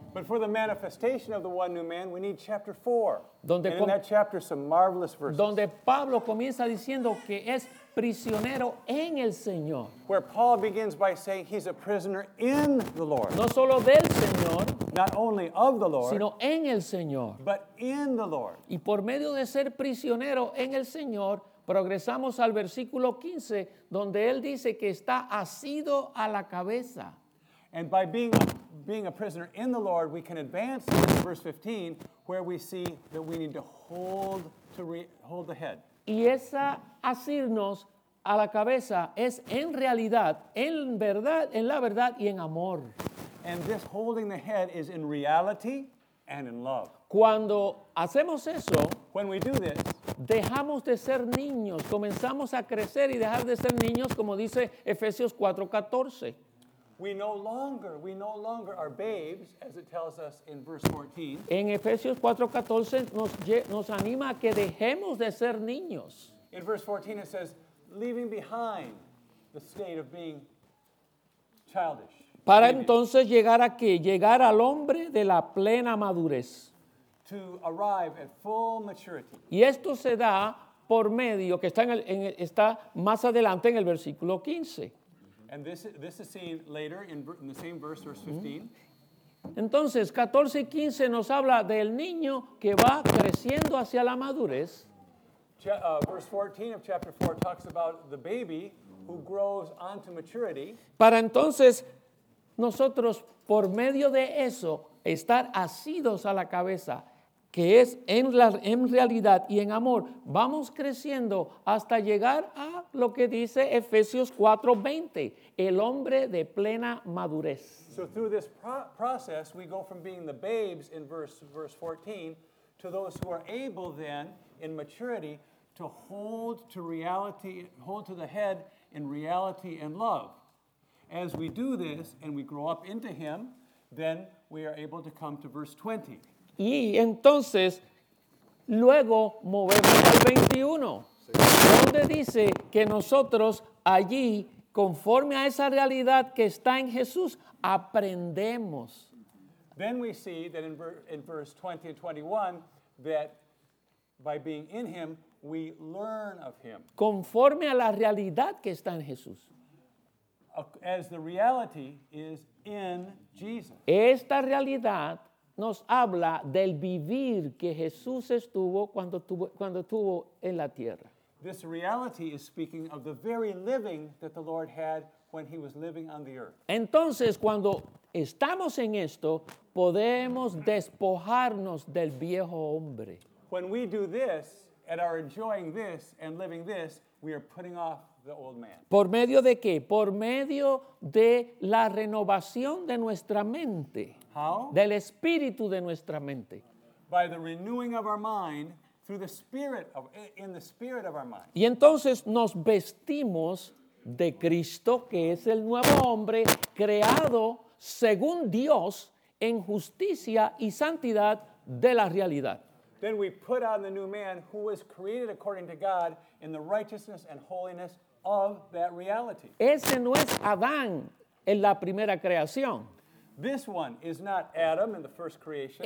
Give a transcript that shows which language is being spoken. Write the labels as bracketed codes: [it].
[en] But for the manifestation of the one new man, we need chapter 4. And in that chapter, some marvelous verses. [es] Donde Pablo comienza diciendo que es prisionero en el Señor. [en] Where Paul begins by saying he's a prisoner in the Lord. [es] No solo del Señor. [en] Not only of the Lord. [es] Sino en el Señor. [en] But in the Lord. [es] Y por medio de ser prisionero en el Señor, progresamos al versículo 15, donde él dice que está asido a la cabeza. [en] And by being a prisoner in the Lord, we can advance to verse 15, where we see that we need to hold the head. [es] Y esa asirnos a la cabeza es en realidad, en verdad, en la verdad y en amor. [en] And this holding the head is in reality and in love. [es] Cuando hacemos eso, [en] when we do this, [es] dejamos de ser niños, comenzamos a crecer y dejar de ser niños, como dice Efesios 4:14. [en] We no longer are babes, as it tells us in verse 14. [es] En Efesios 4:14 nos anima a que dejemos de ser niños. [en] In verse 14 it says, leaving behind the state of being childish. [es] Para entonces llegar a qué? Llegar al hombre de la plena madurez. [en] To arrive at full maturity. [es] Y esto se da por medio, que está más adelante en el versículo 15. [en] And this is seen later in the same verse, verse 15. [es] Entonces, 14 y 15 nos habla del niño que va creciendo hacia la madurez. [en] Verse 14 of chapter 4 talks about the baby who grows onto maturity. [es] Para entonces, nosotros, por medio de eso, estar asidos a la cabeza, que es en realidad y en amor, vamos creciendo hasta llegar a lo que dice Efesios 4:20, el hombre de plena madurez. [en] So through this process, we go from being the babes in verse 14 to those who are able then in maturity to hold to the head in reality and love. As we do this and we grow up into him, then we are able to come to verse 20. [es] Y entonces, luego movemos al 21, donde dice que nosotros allí, conforme a esa realidad que está en Jesús, aprendemos. [en] Then we see that in verse 20 and 21, that by being in him, we learn of him. [es] Conforme a la realidad que está en Jesús. [en] As the reality is in Jesus. [es] Esta realidad nos habla del vivir que Jesús estuvo cuando estuvo en la tierra. [en] This reality is speaking of the very living that the Lord had when he was living on the earth. [es] Entonces, cuando estamos en esto, podemos despojarnos del viejo hombre. [en] When we do this and are enjoying this and living this, we are putting off the old man. [es] ¿Por medio de qué? Por medio de la renovación de nuestra mente. [en] How? [es] Del espíritu de nuestra mente. [en] By the renewing of our mind through the spirit of in the spirit of our mind. [es] Y entonces nos vestimos de Cristo, que es el nuevo hombre creado según Dios en justicia y santidad de la realidad. [en] Then we put on the new man who was created according to God in the righteousness and holiness of that reality. [es] Ese no es Adán en la primera creación. [en] This one is not Adam in the first creation.